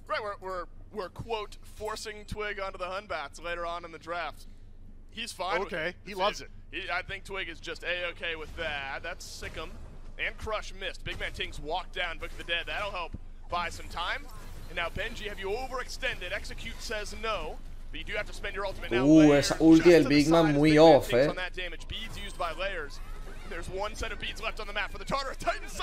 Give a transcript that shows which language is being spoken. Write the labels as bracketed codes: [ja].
[en] Right, we're quote, forcing Twig onto the Hunbats later on in the draft. He's fine. Okay, with he loves it. I think Twig is just A-okay with that. That's Sikkim. And Crush missed. Big Man Tings walked down, Book of the Dead. That'll help buy some time. And now, Benji, have you overextended? Execute says no. But you do have to spend your ultimate now. [es] Ooh, esa ulti del Big Man muy off, eh? [en] On that damage. Beads used by Layers. There's one set of beads left on the map for the Tartar of Titans.